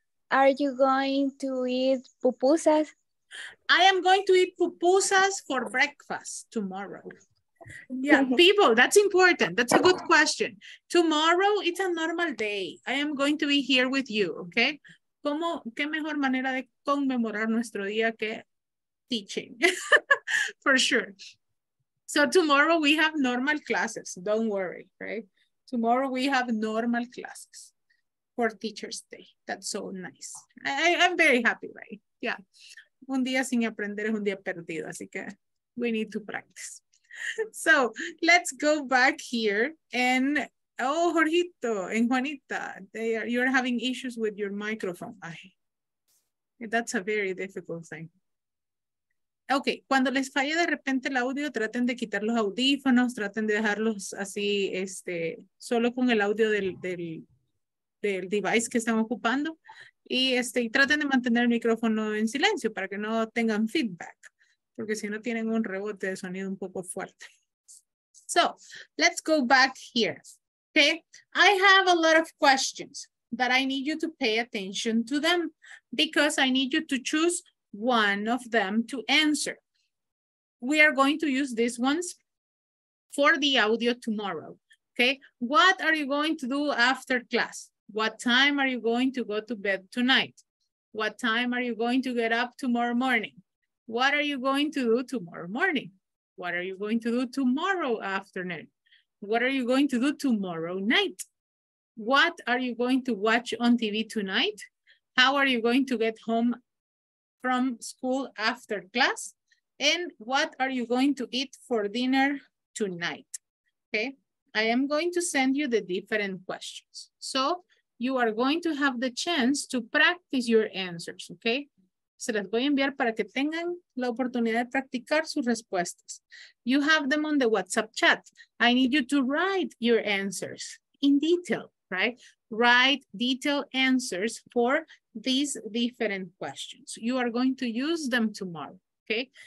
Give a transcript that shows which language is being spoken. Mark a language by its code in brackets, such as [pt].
[en] Are you going to eat pupusas? I am going to eat pupusas for breakfast tomorrow. Yeah, people, that's important. That's a good question. Tomorrow, it's a normal day. I am going to be here with you, okay? [es] ¿Cómo, qué mejor manera de conmemorar nuestro día que teaching? [en] For sure. So tomorrow we have normal classes. Don't worry, right? Tomorrow we have normal classes. For Teacher's Day. That's so nice. I'm very happy, right? Yeah. [es] Un día sin aprender es un día perdido, así que [en] we need to practice. So let's go back here and, oh, Jorgito and Juanita, you're having issues with your microphone. Ay, that's a very difficult thing. [es] Okay, cuando les falle de repente el audio, traten de quitar los audífonos, traten de dejarlos así, solo con el audio del device que están ocupando y y traten de mantener el micrófono en silencio para que no tengan feedback, porque si no tienen un rebote de sonido un poco fuerte. [en] So, let's go back here. Okay, I have a lot of questions that I need you to pay attention to them because I need you to choose one of them to answer. We are going to use these ones for the audio tomorrow. Okay, what are you going to do after class? What time are you going to go to bed tonight? What time are you going to get up tomorrow morning? What are you going to do tomorrow morning? What are you going to do tomorrow afternoon? What are you going to do tomorrow night? What are you going to watch on TV tonight? How are you going to get home from school after class? And what are you going to eat for dinner tonight? Okay, I am going to send you the different questions. So you are going to have the chance to practice your answers, okay? [es] Se las voy a enviar para que tengan la oportunidad de practicar sus respuestas. [en] You have them on the WhatsApp chat. I need you to write your answers in detail, right? write detailed answers for these different questions. You are going to use them tomorrow, okay?